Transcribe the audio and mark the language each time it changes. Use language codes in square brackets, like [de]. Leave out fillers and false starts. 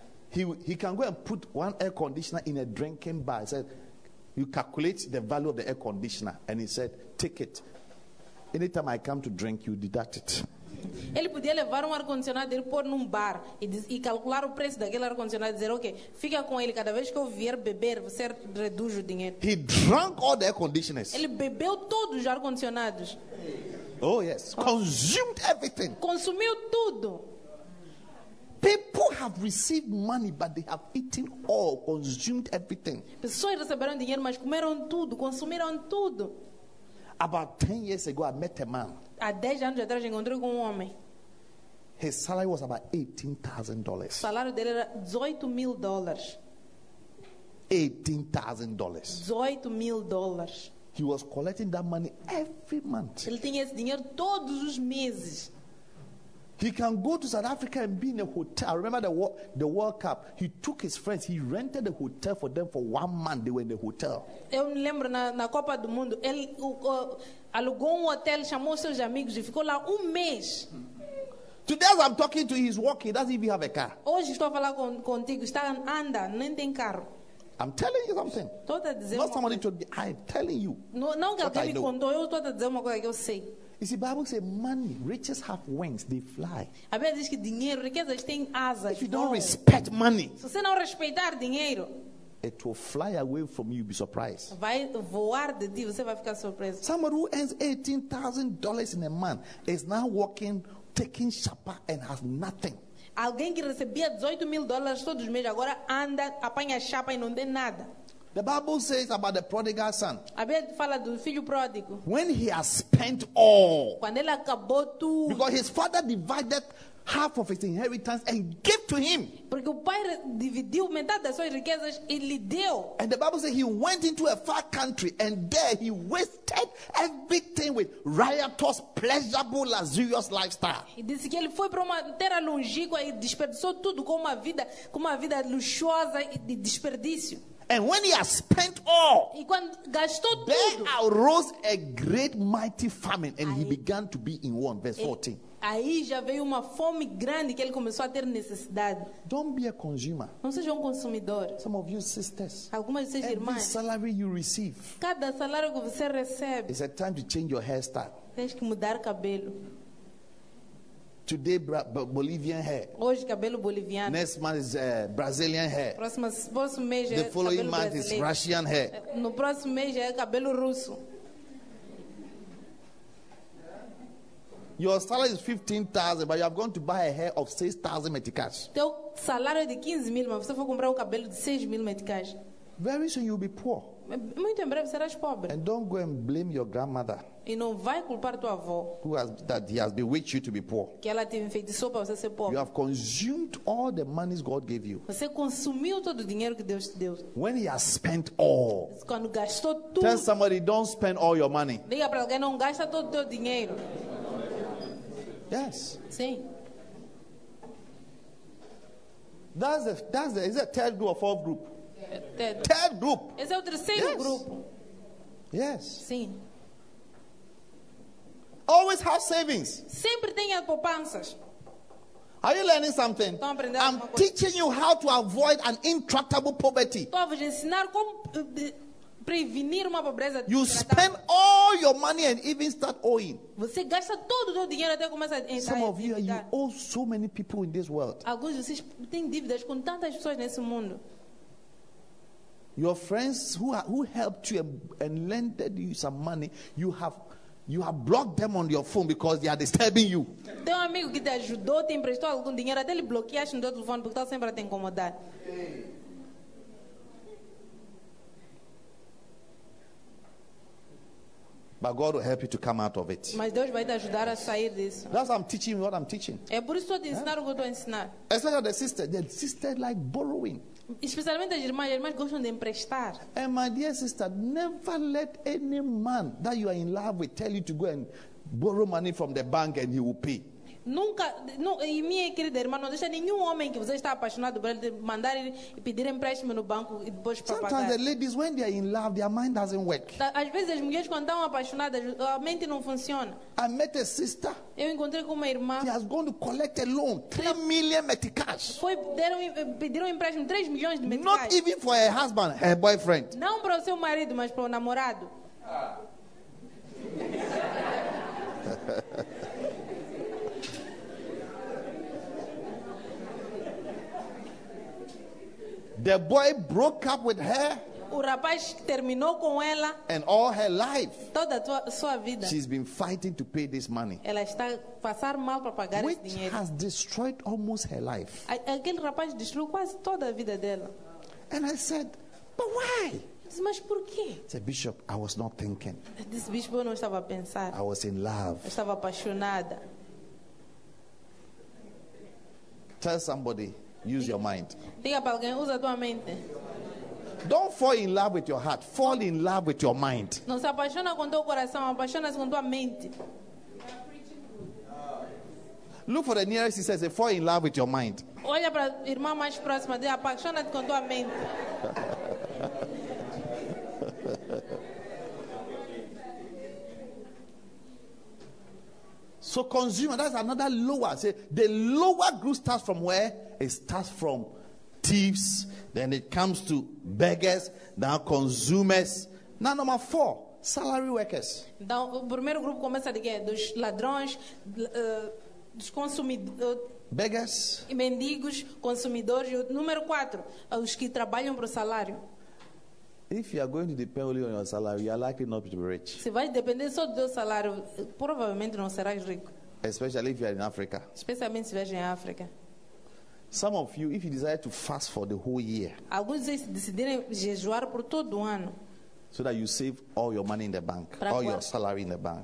[en] He can go and put one air conditioner in a drinking bar. He said, you calculate the value of the air conditioner, and he said, take it. Anytime I come to drink, you deduct it. [pt] Ele podia levar ar-condicionado e pôr num bar e calcular o preço daquele ar-condicionado e dizer, ok, fica com ele, cada vez que eu vier beber, você reduz o dinheiro. [en] He drank all the air conditioners. [pt] Ele bebeu todos os ar-condicionados. [en] Oh, yes. Consumed everything. [pt] Consumiu tudo. [en] People have received money, but they have eaten all, consumed everything. [pt] Pessoas receberam dinheiro, mas comeram tudo, consumiram tudo. [en] About 10 years ago, I met a man. [pt] Há 10 anos atrás, encontrei com homem. [en] His salary was about $18,000. [pt] O salário dele era $18,000. [en] $18,000. [pt] $18,000. [en] He was collecting that money every month. [pt] Ele tinha esse dinheiro todos os meses. [en] He can go to South Africa and be in a hotel. I remember the World Cup. He took his friends. He rented a hotel for them for 1 month. They were in the hotel. [pt] Eu me lembro na Copa do Mundo. Ele alugou hotel, chamou seus amigos e ficou lá mês. [en] Today, as I'm talking to you, he's walking. He doesn't even have a car. [pt] Hoje estou a falar contigo. Está andando, nem tem carro. [en] I'm telling you something. Not somebody to. I'm telling you. [pt] Não que alguém me contou. Eu estou a dizer uma coisa que eu sei. [en] You see, Bible says money, riches have wings, they fly. [pt] A Bíblia diz que dinheiro, riquezas têm asas. [en] If you don't respect money, [pt] se você não respeitar dinheiro, [en] it will fly away from you, be surprised. [pt] Vai voar de ti, você vai ficar surpreso. [en] Somebody who earns $18,000 in a month is now working, taking shopper and has nothing. [pt] Alguém que recebia $18,000 todos os meses agora anda, apanha chapa e não tem nada. [en] The Bible says about the prodigal son. [pt] A Bíblia fala do filho pródigo. [en] When he has spent all. [pt] Quando ele acabou tudo. [en] Because his father divided half of his inheritance and gave to him. [pt] Porque o pai dividiu metade das suas riquezas e lhe deu. [en] And the Bible says he went into a far country and there he wasted everything with riotous, pleasurable, luxurious lifestyle. [pt] E disse que ele foi para uma terra longínqua e desperdiçou tudo com uma vida luxuosa e de desperdício. [en] And when he has spent all, [pt] e quando gastou [en] there [pt] tudo, [en] arose a great mighty famine, and he began to be in want. Verse 14. [pt] aí já veio uma fome grande que ele começou a ter necessidade. [en] Don't be a consumer. [pt] Não seja consumidor. [en] Some of you sisters. [pt] Algumas de vocês irmãs. [en] Every salary you receive. [pt] Cada salário que você recebe. [en] It's a time to change your hairstyle. [pt] Tens que mudar cabelo. [en] Today Bolivian hair. [pt] Hoje cabelo boliviano. [en] Next month is Brazilian hair. [pt] Próximo mês é cabelo. [en] The following month is Russian hair. [pt] No próximo mês é cabelo russo. [en] Your salary is 15,000, but you have gone to buy a hair of 6,000 meticais. [pt] Teu salário é de 15,000, mas você foi comprar o cabelo de 6,000 meticais. [en] Very soon you'll be poor. [pt] Muito em breve serás pobre. [en] And don't go and blame your grandmother. [pt] E não vai culpar tua avó. [en] Who has that he has bewitched you to be poor? [pt] Que ela te enfeitiçou para você ser pobre. [en] You have consumed all the money God gave you. [pt] Você consumiu todo o dinheiro que Deus te deu. [en] When he has spent all. [pt] Quando gastou tudo. [en] Tell somebody don't spend all your money. [pt] Diga para alguém não gasta todo o teu dinheiro. [en] Yes. [pt] Sim. [en] That's a third group or fourth group. Third group. [pt] Esse é o terceiro grupo. [en] Yes. [pt] Sim. [en] Always have savings. [pt] Sempre tenha poupanças. [en] Are you learning something? [pt] Estão aprendendo [en] I'm teaching [pt] coisa. [en] You how to avoid an intractable poverty. [pt] Estou a ensinar como prevenir uma pobreza. [en] You spend all your money and even start owing. [pt] Você gasta todo o seu dinheiro até começar a entrar. [en] Some of you, you owe so many people in this world. [pt] Alguns de vocês têm dívidas com tantas pessoas nesse mundo. [en] Your friends who helped you and lended you some money, you have blocked them on your phone because they are disturbing you. [pt] Teu amigo que te ajudou, te emprestou algum dinheiro, até ele bloqueaste no teu telefone porque está sempre a te incomodar. [en] But God will help you to come out of it. [pt] Mas Deus vai te ajudar a sair disso. [en] That's what I'm teaching. What I'm teaching. [pt] É por isso que estou a ensinar o que estou a ensinar. [en] Especially the sister like borrowing. [pt] Especialmente as irmãs gostam de emprestar. [en] And my dear sister, never let any man that you are in love with tell you to go and borrow money from the bank and he will pay. [pt] Nunca, não, e minha querida irmã, não deixa nenhum homem que você está apaixonado por ele mandar e pedir empréstimo no banco e depois para [en] sometimes [pt] pagar. [en] The ladies, when they are in love, their mind doesn't work. [pt] Às vezes as mulheres quando estão apaixonadas, a mente não funciona. [en] I met a sister. [pt] Eu encontrei com uma irmã. [en] She has gone to collect a loan, 3 million meticais. [pt] Foi pediram um empréstimo 3 milhões de meticais. [en] Not even for her husband, her boyfriend. [pt] Não para o seu marido, mas para o namorado. [en] The boy broke up with her. [pt] O rapaz terminou com ela. [en] And all her life. [pt] Toda a sua vida. [en] She's been fighting to pay this money. [pt] Ela está passar mal para pagar [en] which [pt] esse dinheiro. [en] Which has destroyed almost her life. [pt] Aquele rapaz destruiu quase toda a vida dela. [en] And I said, but why? [pt] Disse, mas por quê? [en] The bishop, I was not thinking. This bishop, [pt] eu não estava a pensar. [en] I was in love. [pt] Eu estava apaixonada. [en] Tell somebody. Use your mind. [pt] Diga para alguém, usa tua mente. [en] Don't fall in love with your heart. Fall in love with your mind. [pt] Não se apaixona com teu coração, apaixona-se com tua mente. [en] Look for the nearest sister. Say, fall in love with your mind. [pt] Olha para a irmã mais próxima. Diga, apaixona-te com tua mente. [en] So consumer, that's another lower. Say, the lower group starts from where? It starts from thieves, then it comes to beggars, now consumers. Now number 4, salary workers. [pt] Então, o primeiro grupo começa de quê? Dos ladrões, dos consumidores. [en] Beggars. [pt] E mendigos, consumidores. E o número 4, os que trabalham para o salário. [en] If you are going to depend only on your salary, you are likely not to be rich. [pt] Se vai depender só do seu salário, provavelmente não serás rico. [en] Especially if you are in Africa. [pt] Especialmente se vier em África. [en] Some of you, if you desire to fast for the whole year, [pt] alguns de vocês decidirem jejuar por todo o ano, [en] so that you save all your money in the bank, all your salary in the bank,